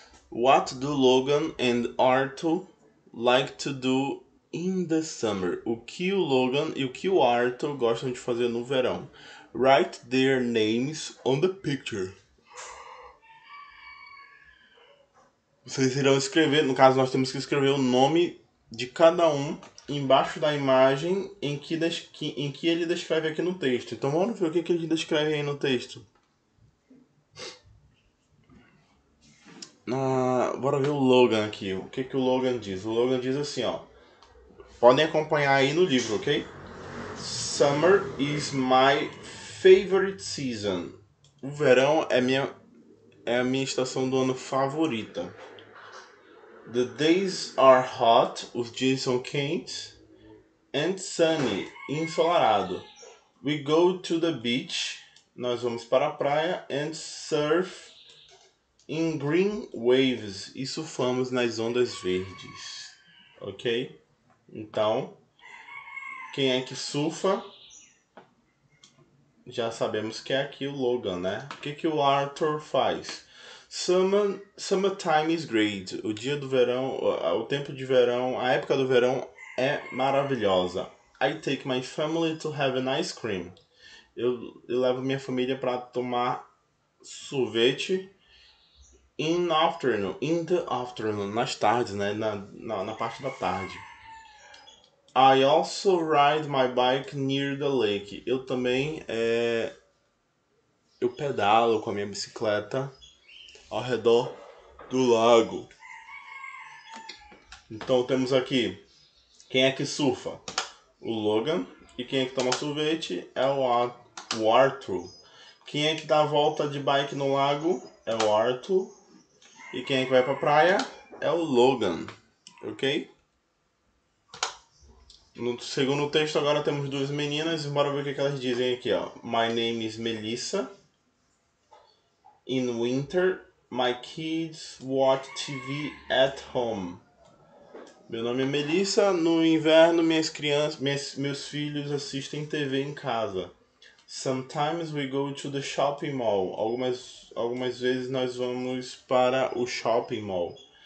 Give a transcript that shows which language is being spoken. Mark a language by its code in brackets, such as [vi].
[en] What do Logan and Arthur like to do in the summer? [pt] O que o Logan e o que o Arthur gostam de fazer no verão? [en] Write their names on the picture. [pt] Vocês irão escrever, no caso, nós temos que escrever o nome de cada um embaixo da imagem em que ele descreve aqui no texto. Então vamos ver o que que ele descreve aí no texto. Bora ver o Logan aqui. O que que o Logan diz? O Logan diz assim, ó. Podem acompanhar aí no livro, ok? [en] Summer is my favorite season. [pt] O verão é a minha estação do ano favorita. [en] The days are hot, [pt] os dias são quentes, [en] and sunny, ensolarado. We go to the beach, [pt] nós vamos para a praia, [en] and surf in green waves, [pt] e surfamos nas ondas verdes. [en] Ok? [pt] Então, quem é que surfa? Já sabemos que é aqui o Logan, né? O que que o Arthur faz? [en] Summertime is great. [pt] O dia do verão, o tempo de verão, a época do verão é maravilhosa. [en] I take my family to have an ice cream. [pt] Eu levo minha família para tomar sorvete [en] in the afternoon, [pt] nas tardes, né? Na parte da tarde. [en] I also ride my bike near the lake. [pt] Eu também eu pedalo com a minha bicicleta ao redor do lago. Então temos aqui quem é que surfa? O Logan. E quem é que toma sorvete? É o Arthur. Quem é que dá a volta de bike no lago? É o Arthur. E quem é que vai pra praia? É o Logan. Ok? No segundo texto, agora temos duas meninas. Bora ver o que elas dizem aqui, ó. [en] My name is Melissa. In winter, my kids watch TV at home. [pt] Meu nome é Melissa. No inverno, meus filhos assistem TV em casa. [en] Sometimes we go to the shopping mall. [pt] Algumas vezes nós vamos para o shopping mall.